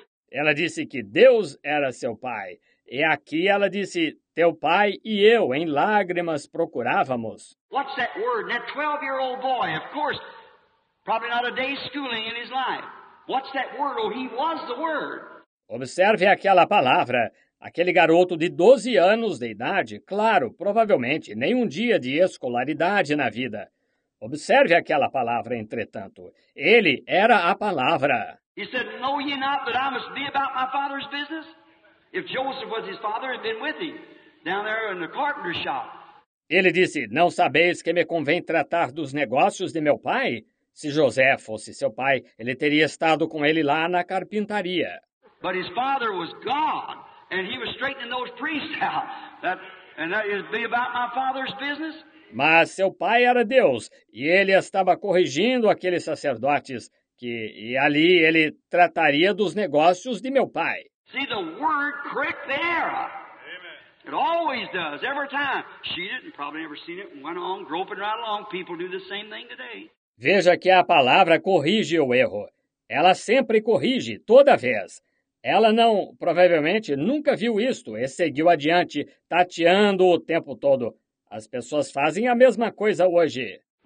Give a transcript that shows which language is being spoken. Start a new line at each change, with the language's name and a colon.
Portuguese: Ela disse que Deus era seu pai. E aqui ela disse, teu pai e eu, em lágrimas, procurávamos.
English: What's that word? That 12-year-old boy, of course, probably not a day's schooling in his life. What's that word? Oh, he was the word.
Portuguese: Observe aquela palavra. Aquele garoto de 12 anos de idade, claro, provavelmente, nem um dia de escolaridade na vida. Observe aquela palavra, entretanto. Ele era a palavra.
English: He said, "Know ye not that I must be about my father's business? If Joseph was his father, he'd been with him down there in the carpenter shop."
Portuguese: Ele disse, "Não sabeis que me convém tratar dos negócios de meu pai? Se José fosse seu pai, ele teria estado com ele lá na carpintaria."
English: But his father was God. And he was straightening those priests out. That is be about my father's business.
Portuguese: Mas seu pai era Deus, e ele estava corrigindo aqueles sacerdotes que e ali ele trataria dos negócios de meu pai.
English: See, the word correct the error. Amen. It always does, every time. She didn't probably never seen it and went on groping right along. People do the same thing today.
Portuguese: Veja que a palavra corrige o erro. Ela sempre corrige, toda vez. Ela não, provavelmente, nunca viu isto e seguiu adiante, tateando o tempo todo. As pessoas fazem a mesma coisa hoje.